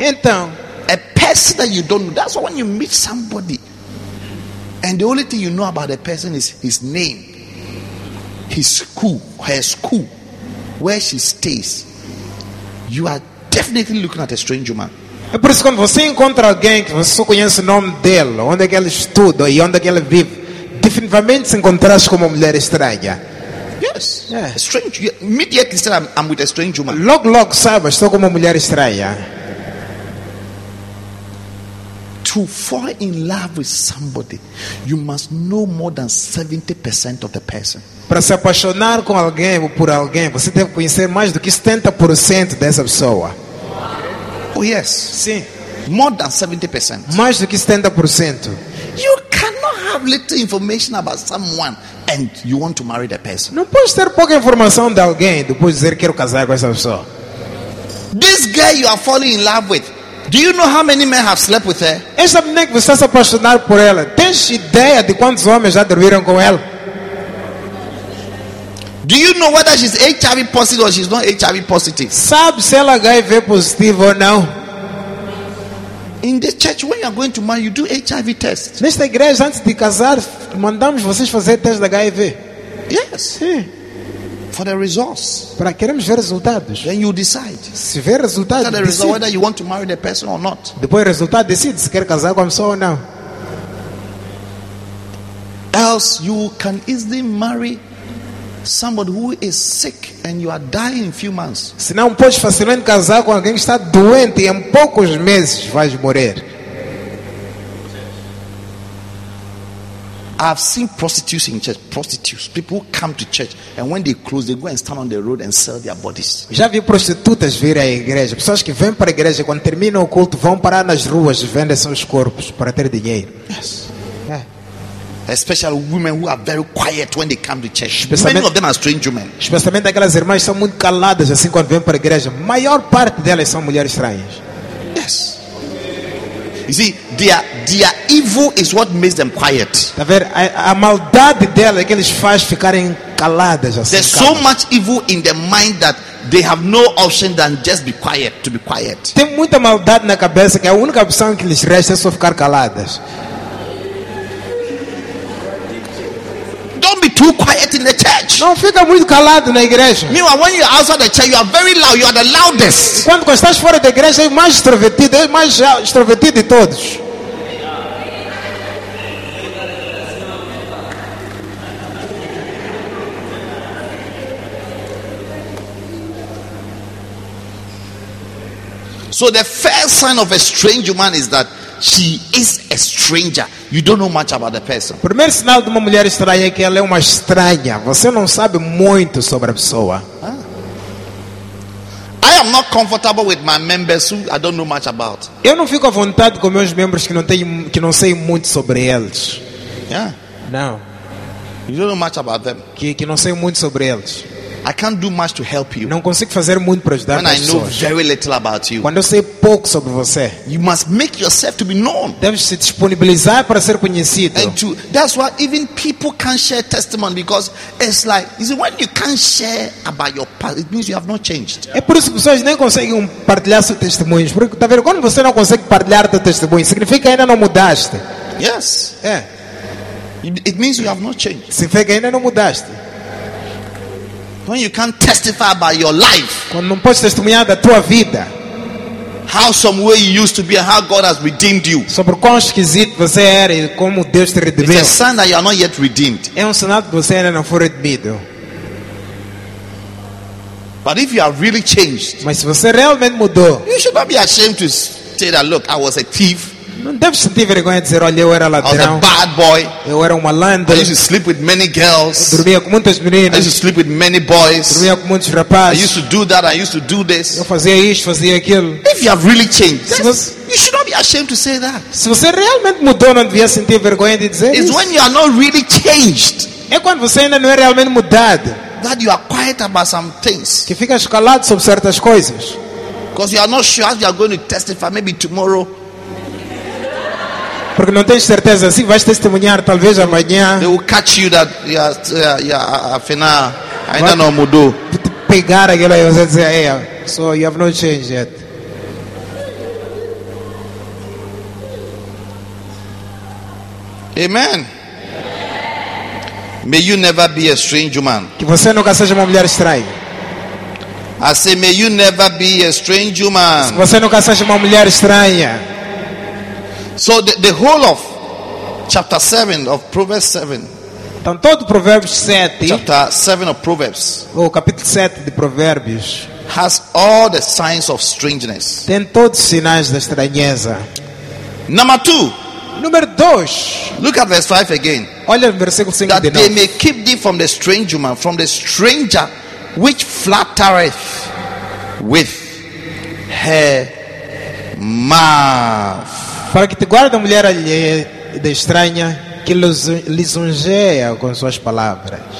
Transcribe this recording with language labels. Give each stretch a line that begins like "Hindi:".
Portuguese: então,
English: a person that you don't know. That's when you meet somebody. And the only thing you know about a person is his name, his school, her school, where she stays. You are definitely looking at a stranger man.
Portuguese: É por isso que quando você encontra alguém que você só conhece o nome dele, onde que ele estuda e onde que ele vive, definitivamente se encontrarás com uma mulher estranha.
English: Yes. Yeah. A strange. Immediately said, I'm with a stranger man.
Portuguese: Logo, sabe, estou com uma mulher estranha.
English: To fall in love with somebody, you must know more than 70% of the person.
Portuguese: Para se apaixonar com alguém ou por alguém, você deve conhecer mais do que 70% dessa pessoa.
English: Oh yes.
Portuguese: Sim.
English: More than 70%.
Portuguese: Mais do que 70%.
English: You cannot have little information about someone and you want to marry the person.
Portuguese: Não pode ter pouca informação de alguém depois dizer quero casar com essa pessoa.
English: This girl you are falling in love with, do you know how many men have slept with her?
Portuguese: Essa menina que você está apaixonado por ela, tens ideia de quantos homens já dormiram com ela?
English: Do you know whether she's HIV positive or she's not HIV positive?
Portuguese: Sabe se ela HIV positivo ou não?
English: In the church, when you are going to marry, you do HIV tests.
Portuguese: Nesta igreja, antes de casar, mandamos vocês fazer teste de HIV.
English: Yes.
Portuguese: Sim.
English: For the results.
Portuguese: Para queremos ver resultados.
English: Then you decide.
Portuguese: Se ver resultados, decide.
English: Result, whether you want to marry the person or not.
Portuguese: Depois o resultado decide se quer casar com a pessoa ou não.
English: Else you can easily marry somebody who is sick and you are dying in few months.
Portuguese: Se não pode facilmente casar com alguém que está doente e em poucos meses vais morrer.
English: I've seen prostitutes in church, prostitutes, people who come to church, and when they close, they go and stand on the road and sell their bodies.
Portuguese: Já vi prostitutas vir à igreja, pessoas que vêm para a igreja, quando terminam o culto, vão parar nas ruas e vendem seus corpos para ter dinheiro.
English: Yes. Especially women who are very quiet when they come to church. Many of them are strange women.
Portuguese: Especialmente aquelas irmãs são muito caladas assim quando vêm para a igreja. Maior parte delas são mulheres estranhas.
English: Yes. You see, their evil is what makes them quiet.
Portuguese: Tá ver, a maldade delas é que eles faz ficarem caladas assim.
English: There's so much evil in their mind that they have no option than just be quiet, to be quiet.
Portuguese: Tem muita maldade na cabeça que a única opção que lhes resta é só ficar caladas.
English: Don't be too quiet in the church.
Portuguese: Não fica muito calado na igreja.
English: Meanwhile, when you're outside the church, you are very loud. You are the loudest.
Portuguese: Quando estás fora da igreja, é mais extrovertido de todos.
English: So the first sign of a strange woman is that she is a stranger. You don't know much about the person.
Portuguese: Primeiro sinal de uma mulher estranha é que ela é uma estranha. Você não sabe muito sobre a pessoa.
English: I am not comfortable with my members who I don't know much about.
Portuguese: Eu não fico à vontade com meus membros que não sei muito sobre eles.
English: Yeah. No. You don't know much about them.
Portuguese: Que não sei muito sobre eles.
English: I can't do much to help you.
Portuguese: Não consigo fazer muito para ajudar
English: when
Portuguese: pessoas.
English: I know very little about you.
Portuguese: Quando eu sei pouco sobre você.
English: You must make yourself to be known.
Portuguese: Deves se disponibilizar para ser conhecido.
English: And to, that's why even people can't share testimony because it's like, you see, when you can't share about your past, it means you have not changed.
Portuguese: É por isso que pessoas nem conseguem partilhar seus testemunhos. Porque tá vendo, quando você não consegue partilhar seu testemunho, significa que ainda não mudaste.
English: Yes.
Portuguese: É.
English: It means you have not changed.
Portuguese: Significa que ainda não mudaste.
English: When you can't testify about your life,
Portuguese: quando não podes testemunhar da tua vida,
English: how some way you used to be and how God has redeemed you,
Portuguese: sobre quão esquisito você era e como Deus te redimiu,
English: it's a sign that you are not yet redeemed.
Portuguese: É um sinal que você ainda não foi redimido.
English: But if you are really changed,
Portuguese: mas se você realmente mudou,
English: you should not be ashamed to say that, look, I was a thief.
Portuguese: Não deve sentir vergonha de dizer, olha, eu era ladrão.
English: I was a bad boy.
Portuguese: Eu era um malandro.
English: I used to sleep with many girls.
Portuguese: Eu dormia com muitas meninas.
English: I used to sleep with many boys.
Portuguese: Eu dormia com muitos rapazes.
English: I used to do that. I used to do this.
Portuguese: Eu fazia isso, fazia aquilo.
English: If you have really changed, you should not be ashamed to say that.
Portuguese: Se você realmente mudou, não devia sentir vergonha de dizer.
English: It's when you are not really changed.
Portuguese: É quando você ainda não é realmente mudado.
English: That you are quiet about some things.
Portuguese: Que fica calado sobre certas coisas.
English: Because you are not sure if you are going to testify maybe tomorrow.
Portuguese: Porque não tens certeza se vais testemunhar talvez amanhã.
English: They will catch you that
Portuguese: afinal ainda não mudou. Pegar aquilo aí, você dizer,
English: hey, so you have not changed yet. Amen. May you never be a strange woman.
Portuguese: Que você nunca seja uma mulher estranha.
English: I say, may you never be a strange woman.
Portuguese: Que você nunca seja uma mulher estranha.
English: So the whole of chapter 7 of Proverbs 7.
Portuguese: Então todo Provérbios 7.
English: Chapter 7 of Proverbs.
Portuguese: O capítulo 7 de Provérbios has all the signs of strangeness. Tem todos os sinais da estranheza.
English: Number 2.
Portuguese: Número 2.
English: Look at verse 5 again.
Portuguese: Olha o versículo 5
English: that
Portuguese: de novo.
English: That they may keep thee from the strange woman, from the stranger which flattereth with her mouth.
Portuguese: Para que te guarde a mulher alheia da estranha que lisonjeia com suas palavras.